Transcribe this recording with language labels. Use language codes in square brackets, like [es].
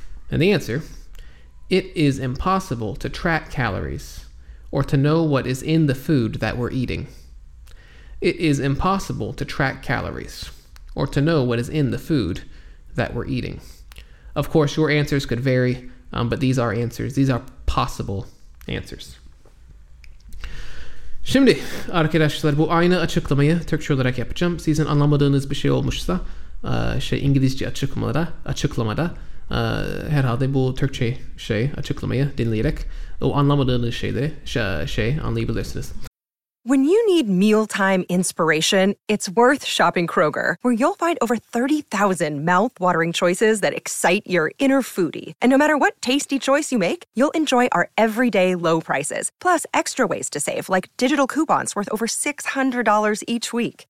[en] And the answer, it is impossible to track calories or to know what is in the food that we're eating. It is impossible to track calories or to know what is in the food that we're eating. Of course, your answers could vary, but these are answers. These are possible answers. [tr] Şimdi arkadaşlar bu aynı açıklamayı Türkçe olarak yapacağım. Sizin anlamadığınız bir şey olmuşsa şey İngilizce açıklamada herhalde bu Türkçe şey açıklamayı dinleyerek o anlamadığınız şeyleri şey anlayabilirsiniz. [en] When you need mealtime inspiration, it's worth shopping Kroger, where you'll find over 30,000 mouthwatering choices that excite your inner foodie. And no matter what tasty choice you make, you'll enjoy our everyday low prices, plus extra ways to save, like digital coupons worth over $600 each week.